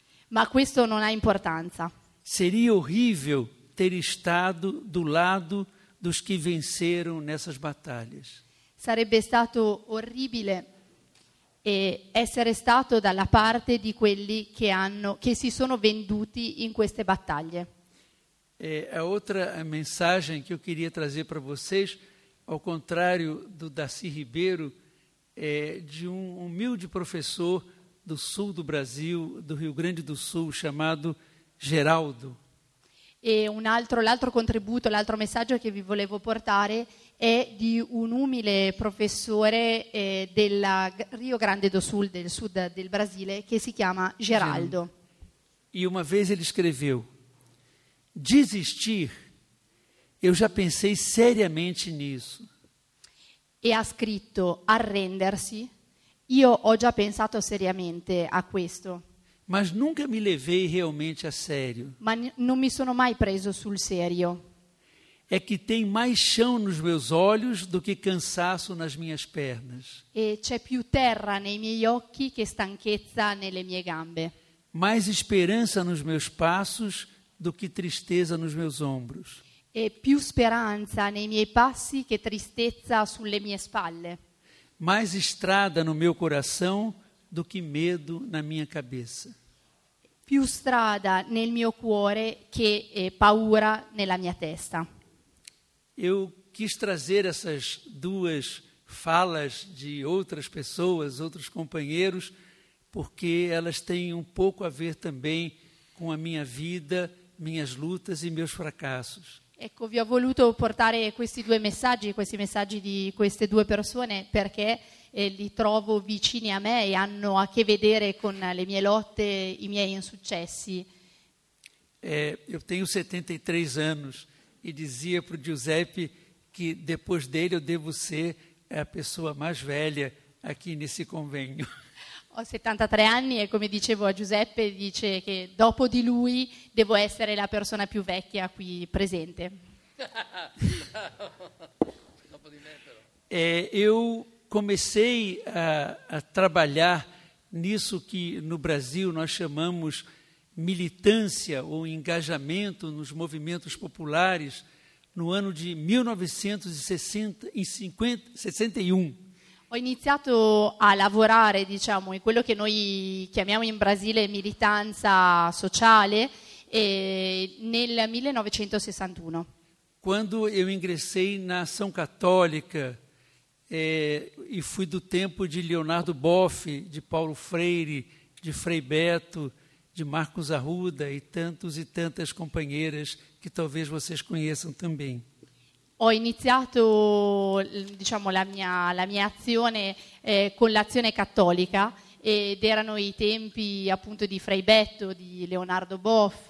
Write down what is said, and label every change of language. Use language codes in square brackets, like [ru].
[it] Ma questo non ha importanza. [pt] Seria horrível ter estado do lado dos que venceram nessas batalhas. [it] Sarebbe stato orribile essere stato dalla parte di quelli che hanno, che si sono venduti in queste battaglie. [pt] E outra mensagem que eu queria trazer para vocês, ao contrário do Darcy Ribeiro, é de um humilde professor do sul do Brasil, do Rio Grande do Sul, chamado Geraldo. [it] E um altro, l'altro contributo, l'altro messaggio che vi volevo portare è di un umile professore del Rio Grande do Sul, del sud del Brasile, che si chiama Geraldo. [pt] E uma vez ele escreveu: desistir, eu já pensei seriamente nisso. [it] E ha scritto: arrendersi, io ho già pensato seriamente a questo. [pt] Mas nunca me levei realmente a sério. [it] Ma non mi sono mai preso sul serio. [pt] É que tem mais chão nos meus olhos do que cansaço nas minhas pernas. [it] E c'è più terra nei miei occhi che stanchezza nelle mie gambe. [pt] Mais esperança nos meus passos do que tristeza nos meus ombros. [it] E più speranza nei miei passi che tristezza sulle mie spalle. [pt] Mais estrada no meu coração do que medo na minha cabeça. [it] Più strada nel mio cuore che paura nella mia testa. [pt] Eu quis trazer essas duas falas de outras pessoas, outros companheiros, porque elas têm um pouco a ver também com a minha vida, minhas lutas e meus fracassos. [it] Ecco, vi ho voluto portare questi messaggi di queste due persone, perché li trovo vicini a me e hanno a che vedere con le mie lotte, i miei insuccessi. [pt] Eu tenho 73 anos e dizia pro Giuseppe que depois dele eu devo ser a pessoa mais velha aqui nesse convênio. [it] Ho 73 anni e, come dicevo a Giuseppe, dice che dopo di lui devo essere la persona più vecchia qui presente. Dopo di me, però. [pt] Eu comecei a trabalhar nisso que no Brasil nós chamamos militância ou engajamento nos movimentos populares no ano de 1961. [it] Ho iniziato a lavorare, diciamo, in quello che noi chiamiamo in Brasile militanza sociale nel 1961. [pt] Quando eu ingressei na Ação Católica e fui do tempo de Leonardo Boff, de Paulo Freire, de Frei Beto, de Marcos Arruda e tantos e tantas companheiras que talvez vocês conheçam também. [it] Ho iniziato, diciamo, la mia azione con l'Azione Cattolica, ed erano i tempi appunto di Frei Beto, di Leonardo Boff,